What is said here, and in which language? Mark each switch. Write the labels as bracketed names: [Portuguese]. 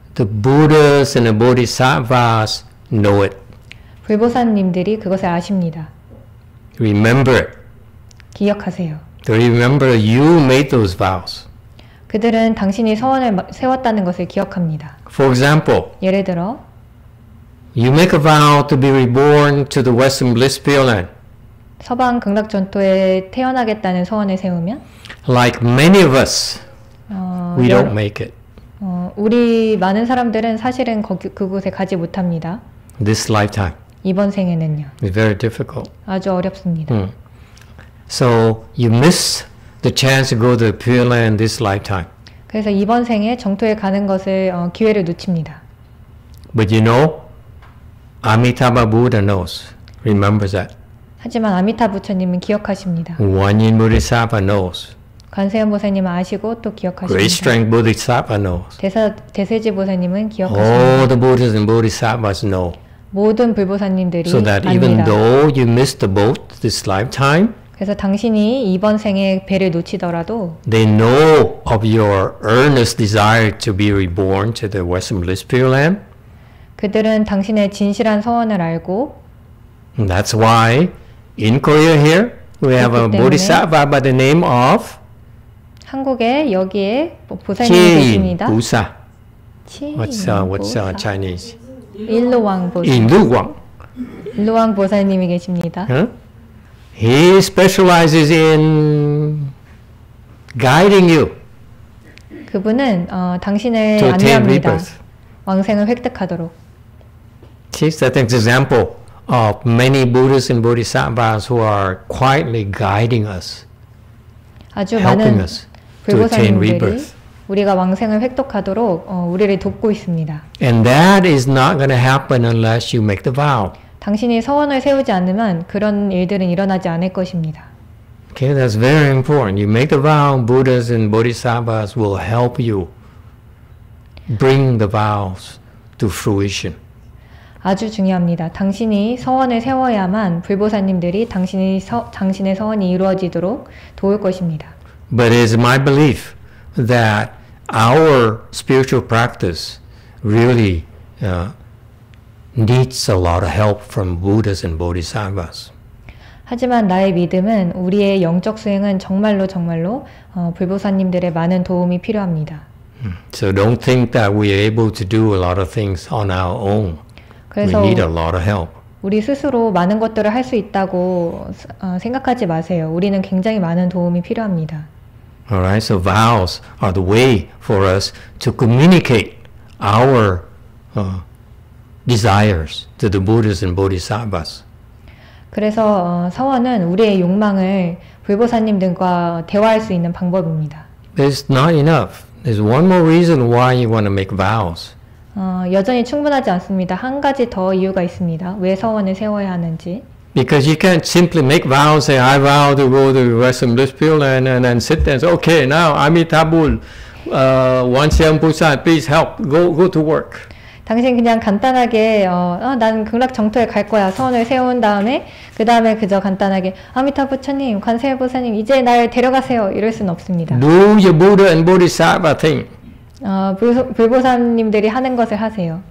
[English] the Buddhas and the Bodhisattvas know it. [Korean] 불보사님들이 그것을 아십니다. [English] Remember it. [Korean] 기억하세요. [English] They remember you made those vows. [Korean] 그들은 당신이 소원을 세웠다는 것을 기억합니다. [English] For example, [Korean] 예를 들어, [English] you make a vow to be reborn to the Western Bliss Pure Land. [Korean] 서방 극락 전토에 태어나겠다는 소원을 세우면 [English] like many of us we don't make it. [Korean] 우리 많은 사람들은 사실은 거기 그곳에 가지 못합니다. [English] This lifetime. [Korean] 이번 생에는요. [English] It's very difficult. [Korean] 아주 어렵습니다. [English] So you miss the chance to go to Pure Land this lifetime. [Korean] 그래서 이번 생에 정토에 가는 것을 기회를 놓칩니다. [English] But you know Amitabha Buddha knows. Remembers that. [Korean] 하지만 아미타 부처님은 기억하십니다. [English] 관인 보디사파 knows. [Korean] 관세음 보살님 아시고 또 기억하십니다. [English] Great strength Bodhisattva knows. [Korean] 대세지 보살님은 기억하십니다. [English] All the Buddhas and Bodhisattvas know. [Korean] 모든 불보사님들이 [English] so that [Korean] 압니다. [English] Even though you missed the boat this lifetime, [Korean] 그래서 당신이 이번 생에 배를 놓치더라도 [English] they know of your earnest desire to be reborn to the Western Bliss Pure Land. [Korean] 그들은 당신의 진실한 소원을 알고 [English] That's why in Korea here we have a Bodhisattva by the name of [Korean] 한국에 여기에 보살님이 계십니다. 부사. [English] What's Chinese? [Korean] 일루왕 보살. 일루왕. 일루왕 보살님이 계십니다. [English] He specializes in guiding you. [Korean] 그분은 당신을 안내합니다. 왕생을 획득하도록. [English] He's that example. Of many Buddhists and Bodhisattvas who are quietly guiding us, helping us to attain rebirth. [Korean] 우리가 왕생을 획득하도록 우리를 돕고 있습니다. [English] And that is not going to happen unless you make the vow. [Korean] 당신이 서원을 세우지 않으면 그런 일들은 일어나지 않을 것입니다. [English] Okay, that's very important. You make the vow, Buddhists and Bodhisattvas will help you bring the vows to fruition. [Korean] 아주 중요합니다. 당신이 서원을 세워야만 불보사님들이 당신의 서원이 이루어지도록 도울 것입니다. [English] But it is my belief that our spiritual practice really needs a lot of help from Buddhas and Bodhisattvas. [Korean] 하지만 나의 믿음은 우리의 영적 수행은 정말로 불보사님들의 많은 도움이 필요합니다. [English] So don't think that we are able to do a lot of things on our own. We need a lot of help. [Korean] 우리 스스로 많은 것들을 할 수 있다고 생각하지 마세요. 우리는 굉장히 많은 도움이 필요합니다. [English] All right, so vows are the way for us to communicate our desires to the Buddhas and Bodhisattvas. [Korean] 그래서 서원은 우리의 욕망을 불보사님들과 대화할 수 있는 방법입니다. [English] It's not enough. There's one more reason why you want to make vows. [Korean] 여전히 충분하지 않습니다. 한 가지 더 이유가 있습니다. 왜 서원을 세워야 하는지. [English] Because you can't simply make vows, say, I vow to go to Western Bliss Pure Land and then sit there and say, okay, now Amitabha Buddha, Wanchen Busan, please help, go to work. [Korean] 당신 그냥 간단하게, 난 극락 정토에 갈 거야. 서원을 세운 다음에, 그 다음에 그저 간단하게, 아미타부 부처님, 관세일 부사님, 이제 날 데려가세요. 이럴 순 없습니다. [English] Do your Buddha and Bodhisattva thing. [Korean] 불보사님들이 하는 것을 하세요.